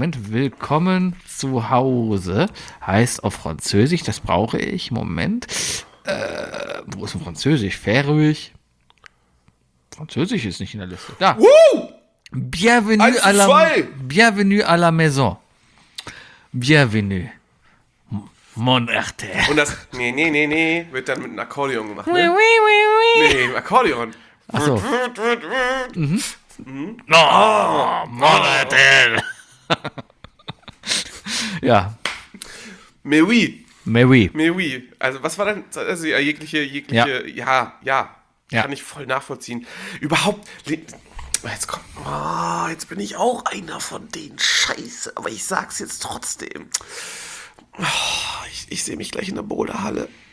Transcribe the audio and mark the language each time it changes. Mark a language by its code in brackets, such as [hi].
[de] Willkommen zu Hause heißt auf Französisch, das brauche ich. Moment. Wo ist denn Französisch? Färöisch. Französisch ist nicht in der Liste. Da. [fr] Bienvenue à la, Bienvenue à la maison. Bienvenue. Mon Arte. [de] Und das nee wird dann mit einem Akkordeon gemacht. Ne? Nee, Akkordeon. Ach so. [fr] Oh, mon Arte. [de] Ja. [fr] Mais oui. Mais oui. Mais oui. [de] Also was war denn, also jegliche, ja. Kann ich voll nachvollziehen. Überhaupt, jetzt kommt, jetzt bin ich auch einer von denen, scheiße, aber ich sag's jetzt trotzdem. Ich sehe mich gleich in der Boulderhalle.